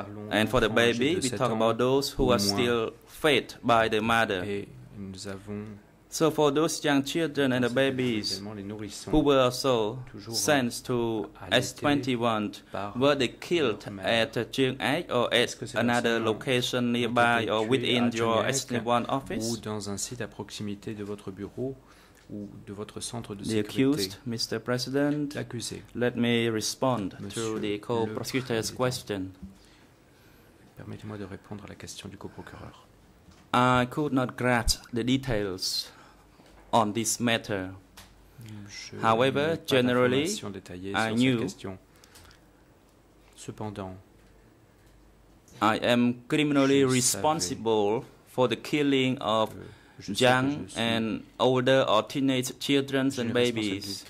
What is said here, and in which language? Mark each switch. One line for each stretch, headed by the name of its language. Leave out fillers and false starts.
English: And for the baby, we talk about those who are still fed by the mother. So for those young children and the babies who were also sent to S21, were they killed at a young age or at another location nearby or within your S21 office?
French: Ou dans un site à proximité de votre bureau ou de votre centre de sécurité?
English: The accused, Mr. President, let me respond to the co-prosecutor's question.
French: Permettez-moi de répondre à la question du co-procureur.
English: I could not grasp the details on this matter. However, generally, I knew.
French: Cependant,
English: I am criminally responsible for the killing of young and older or teenage children and babies.